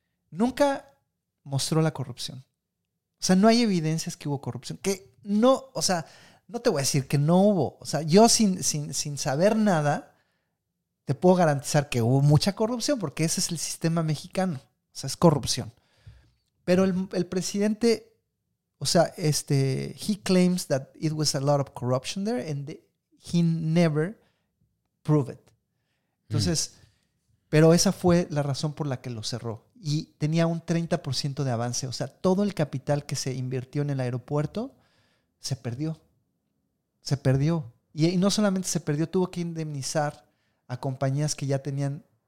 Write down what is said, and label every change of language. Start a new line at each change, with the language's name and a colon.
Spanish: Nunca mostró la corrupción. O sea, no hay evidencias que hubo corrupción. Que no, o sea, no te voy a decir que no hubo. O sea, yo sin saber nada, te puedo garantizar que hubo mucha corrupción porque ese es el sistema mexicano. O sea, es corrupción. Pero el presidente, o sea,
English: he claims that it was a lot of corruption there and he never proved it.
Spanish: Entonces, pero esa fue la razón por la que lo cerró. Y tenía un 30% de avance. O sea, todo el capital que se invirtió en el aeropuerto se perdió. Se perdió. Y no solamente se perdió, tuvo que indemnizar a compañías que ya tenían...